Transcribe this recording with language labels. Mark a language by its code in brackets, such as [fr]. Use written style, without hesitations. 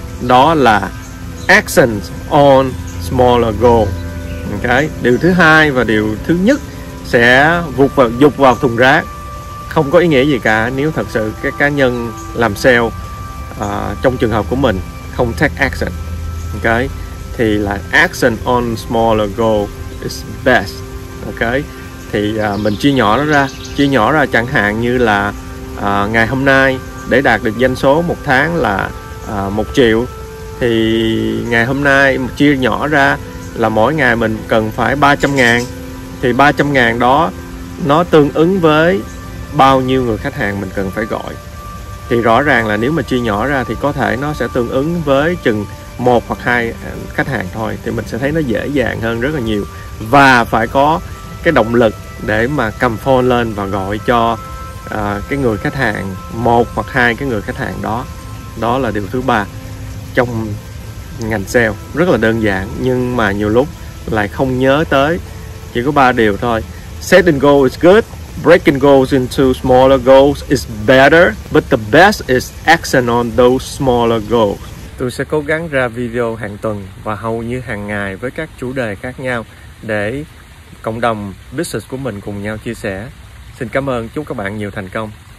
[vi] Đó là [en] action on smaller goal. [vi] Ok. Điều thứ hai và điều thứ nhất sẽ dục vào thùng rác, không có ý nghĩa gì cả nếu thật sự cái cá nhân làm sale trong trường hợp của mình không take action. Ok. Thì là [en] action on smaller goal is best. [vi] Ok. Thì mình chia nhỏ nó ra. Chia nhỏ ra chẳng hạn như là ngày hôm nay để đạt được doanh số một tháng là 1 triệu. Thì ngày hôm nay chia nhỏ ra là mỗi ngày mình cần phải 300.000. Thì 300.000 đó nó tương ứng với bao nhiêu người khách hàng mình cần phải gọi. Thì rõ ràng là nếu mà chia nhỏ ra thì có thể nó sẽ tương ứng với chừng 1 hoặc 2 khách hàng thôi. Thì mình sẽ thấy nó dễ dàng hơn rất là nhiều. Và phải có cái động lực để mà cầm phone lên và gọi cho cái người khách hàng, 1 hoặc 2 cái người khách hàng đó. Đó là điều thứ ba trong ngành sale. Rất là đơn giản nhưng mà nhiều lúc lại không nhớ tới. Chỉ có 3 điều thôi. [en] Setting goal is good. Breaking goals into smaller goals is better, but the best is action on those smaller goals. [vi] Tôi sẽ cố gắng ra video hàng tuần và hầu như hàng ngày với các chủ đề khác nhau để cộng đồng business của mình cùng nhau chia sẻ. Xin cảm ơn, chúc các bạn nhiều thành công.